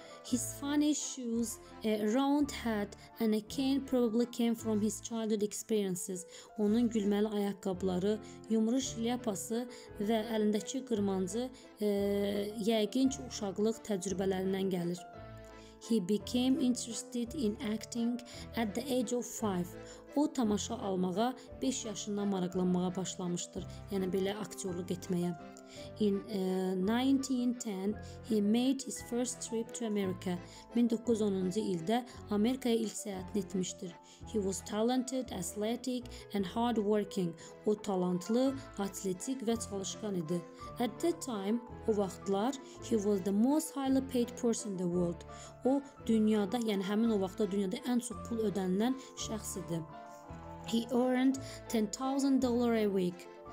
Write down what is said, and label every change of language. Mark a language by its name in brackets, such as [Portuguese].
[English] His funny shoes, a round hat and a cane probably came from his childhood experiences. [Azerbaijani] Onun gülməli ayaqqabları, yumru şlyapası və əlindəki qırmancı yəqin ki, uşaqlıq təcrübələrindən gəlir. [English] He became interested in acting at the age of 5. [Azerbaijani] O, tamaşa almağa, 5 yaşından maraqlanmağa başlamışdır, yəni belə aktyorluq etməyə. [English] In 1910, he made his first trip to America. [Azerbaijani] 1910-cu ildə Amerikaya ilk səyahətini etmişdir. [English] He was talented, athletic and hard working. [Azerbaijani] O talentlı, atletik və çalışqan idi. [English] At that time, [Azerbaijani] o vaxtlar, [English] he was the most highly paid person in the world. [Azerbaijani] O dünyada, yəni həmin o vaxtda dünyada ən çox pul ödənilən şəxs idi. [English] He earned $10,000 a week.